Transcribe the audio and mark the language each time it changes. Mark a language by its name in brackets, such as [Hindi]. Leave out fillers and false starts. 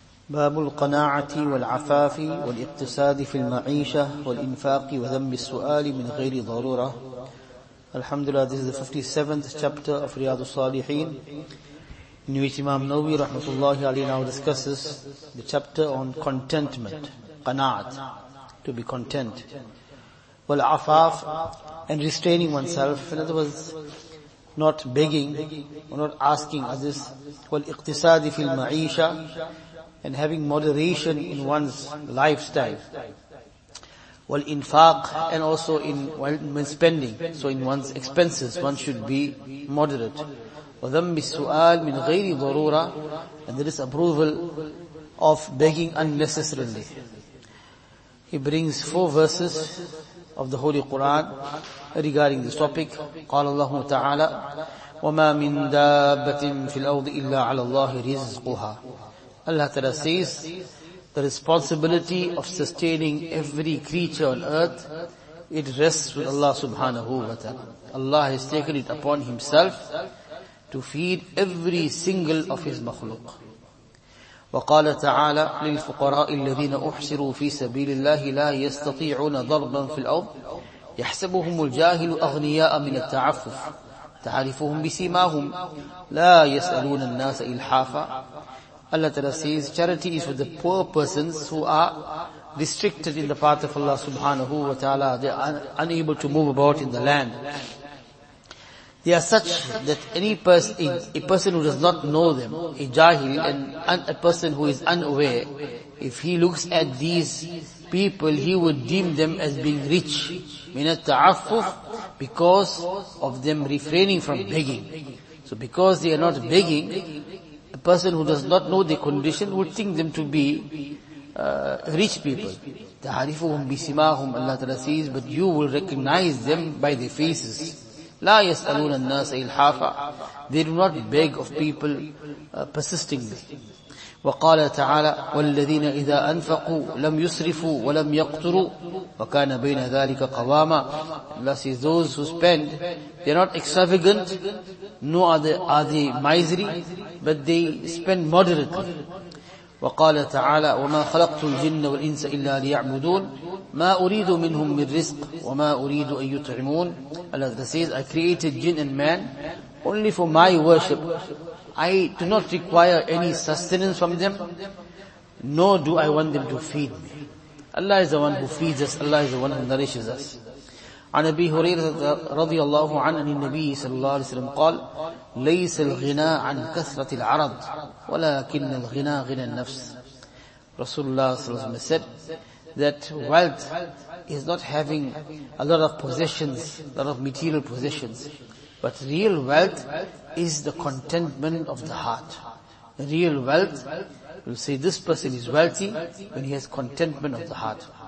[Arabic] باب القناعة والعفاف والاقتصاد في المعيشة والإنفاق وذم السؤال من غير ضرورة. [English] الحمد لله, this is the 57th chapter of رياض الصالحين, in which Imam Nawawi رحمة الله عليه now discusses the chapter on contentment, قناعة, to be content, والعفاف, and restraining oneself, in other words, not begging or not asking others, [Arabic] والاقتصاد في المعيشة, [English] and having moderation in one's lifestyle, والإنفاق, and also in when spending, so in one's expenses one should be moderate, [Arabic] وذنب السؤال من غير ضرورة, [English] and the disapproval of begging unnecessarily. He brings four verses of the Holy Quran regarding this topic. [Arabic] قال الله تعالى وما من دابة في الأرض إلا على الله رزقها. [English] Allah Ta'ala says, the responsibility of sustaining every creature on earth, it rests with Allah Subhanahu wa Ta'ala. Allah has taken it upon Himself to feed every single of His makhluk. [Arabic] وقال تعالى للفقراء الذين أحصروا في سبيل الله لا يستطيعون ضربا في الأرض يحسبهم الجاهل أغنياء من التعفف تعرفهم بسيماهم لا يسألون الناس إلحافا. [English] Allah Ta'ala says, charity is for the poor persons who are restricted in the path of Allah Subhanahu wa Ta'ala. They are unable to move about in the land. They are such that any person, a person who does not know them, a jahil, and a person who is unaware, if he looks at these people, he would deem them as being rich, [Arabic] minat ta'affuf, [English] because of them refraining from begging. So because they are not begging, a person who does not know the condition would think them to be rich people. [Arabic] Ta'arifuhum bisimahum, [English] Allah Ta'ala says, but you will recognize them by their faces. [Arabic] لا يسألون الناس إلحافا. [English] They do not beg of people persistingly. [Arabic] وقال تعالى والذين إذا أنفقوا لم يسرفوا ولم يقتروا وكان بين ذلك قواما. [English] Allah says, those who spend, they are not extravagant, nor are they miserly, but they spend moderately. [Arabic] وقال تعالى وما خلقت الجن والإنس إلا ليعبدون ما أريد منهم من رزق وما أريد أن يطعمون. [English] Allah says, I created jinn and man only for my worship. I do not require any sustenance from them, nor do I want them to feed me. Allah is the one who feeds us. Allah is the one who nourishes us. [Arabic] عن أبي هريرة رضي الله عنه أن النبي صلى الله عليه وسلم قال ليس الغنى عن كثرة العرض ولكن الغنى غنى النفس. [English] رسول الله صلى الله عليه وسلم said that wealth is not having a lot of possessions, a lot of material possessions, but real wealth is the contentment of the heart. Real wealth, we'll say this person is wealthy when he has contentment of the heart.